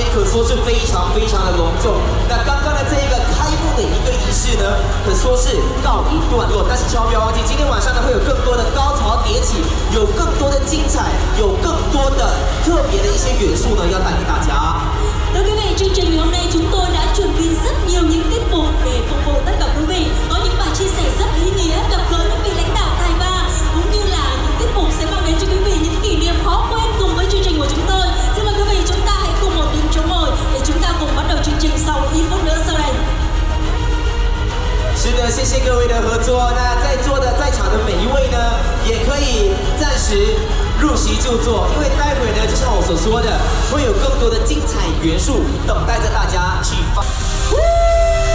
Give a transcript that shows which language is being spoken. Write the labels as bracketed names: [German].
[Chinese] 说是非常非常的隆重，那刚刚的这一个开幕的一个仪式呢，可说是告一段落，但是千万不要忘记，今天晚上呢会有更多的高潮迭起，有更多的精彩，有更多的特别的一些元素呢要带给大家。 [Vietnamese] Đối với mấy chương trình ngày hôm nay, chúng tôi đã chuẩn bị rất nhiều những tiết mục để phục vụ tất cả quý vị, có những bài chia sẻ rất ý nghĩa gặp gỡ những vị lãnh đạo tài ba, cũng như là những tiết mục sẽ mang đến cho quý vị những kỷ niệm khó quên cùng với chương trình của chúng tôi. Xin mời quý vị chúng ta hãy cùng một tiếng chống mời để chúng ta cùng bắt đầu chương trình sau ít phút nữa sau đây. [Chinese] 是的，谢谢各位的合作。那在座的在场的每一位呢，也可以暂时入席就坐，因为待会呢，就像我所说的，会有更多的精彩元素等待着大家去发。